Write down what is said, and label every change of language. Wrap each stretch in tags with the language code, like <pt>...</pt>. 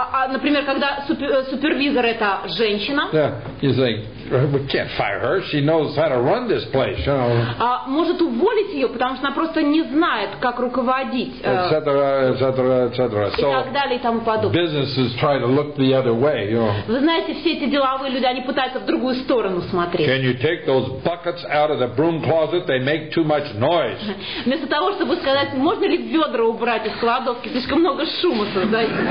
<ru>Например, когда супервизор это женщина.</ru> <en>We can't fire her. She knows how to run this place, you know.</en> <ru>Может уволить ее, потому что она просто не знает, как руководить.</ru> <en>Etc.</en> <ru>И так далее и тому подобное.</ru> <en>Businesses try to look the other way, you know.</en> <ru>Вы знаете, все эти деловые люди, они пытаются в другую сторону смотреть.</ru> <en>Can you take those buckets out of the broom closet? They make too much noise.</en> <ru>Вместо того, чтобы сказать, можно ли ведра убрать из кладовки, слишком много шума создает.</ru>